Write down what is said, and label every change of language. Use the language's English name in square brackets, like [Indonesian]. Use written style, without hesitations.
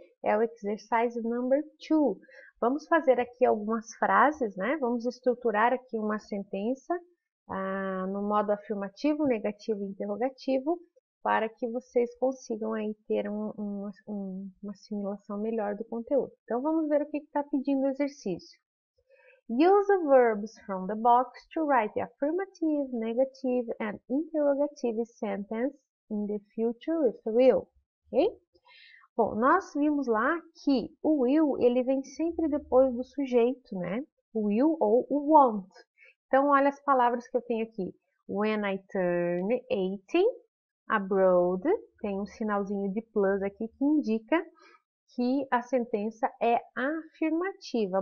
[Portuguese] É o exercise number 2. Vamos fazer aqui algumas frases, né? Vamos estruturar aqui uma sentença. No modo afirmativo, negativo e interrogativo, para que vocês consigam aí ter uma assimilação melhor do conteúdo. Então, vamos ver o que está pedindo o exercício. [English] Use the verbs from the box to write the affirmative, negative and interrogative sentence in the future with will. Okay? [Portuguese] Bom, nós vimos lá que o will ele vem sempre depois do sujeito, né? O will ou o want. Então, olha as palavras que eu tenho aqui. [English] When I turn 18, abroad, [Portuguese] tem um sinalzinho de plus aqui que indica que a sentença é afirmativa.